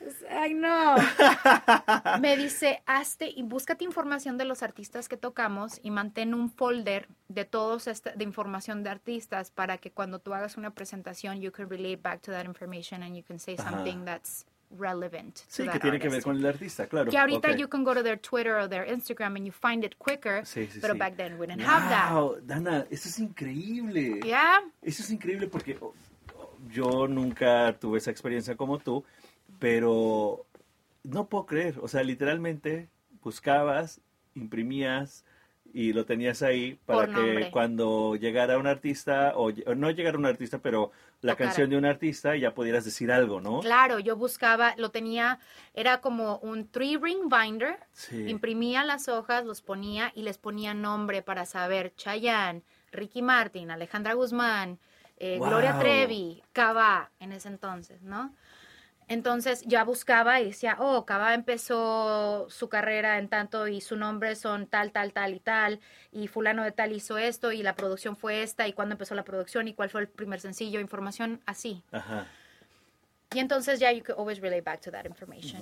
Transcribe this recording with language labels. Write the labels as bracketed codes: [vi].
[es] Ay, no. Me dice, hazte y búscate información de los artistas que tocamos y mantén un folder de todos de información de artistas para que cuando tú hagas una presentación, [en] you can relate back to that information and you can say something that's relevant to that artist. [es] Sí, que tiene que ver con el artista, claro. Que ahorita [en] you can go to their Twitter or their Instagram and you find it quicker, but back then we didn't have that. [es] Wow, Dana, eso es increíble. [en] Yeah. [es] Eso es increíble porque yo nunca tuve esa experiencia como tú, pero no puedo creer. O sea, literalmente buscabas, imprimías y lo tenías ahí para que cuando llegara un artista, o no llegara un artista, pero la canción de un artista, ya pudieras decir algo, ¿no? Claro, yo buscaba, lo tenía, era como un 3-ring binder, imprimía las hojas, los ponía y les ponía nombre para saber Chayanne, Ricky Martin, Alejandra Guzmán, Gloria Trevi, Cava, en ese entonces, ¿no? Entonces ya buscaba y decía, oh, Cava empezó su carrera en tanto y su nombre son tal, tal, tal y tal, y fulano de tal hizo esto y la producción fue esta y cuándo empezó la producción y cuál fue el primer sencillo, información así. Ajá. Y entonces ya [en] you could always relate back to that information.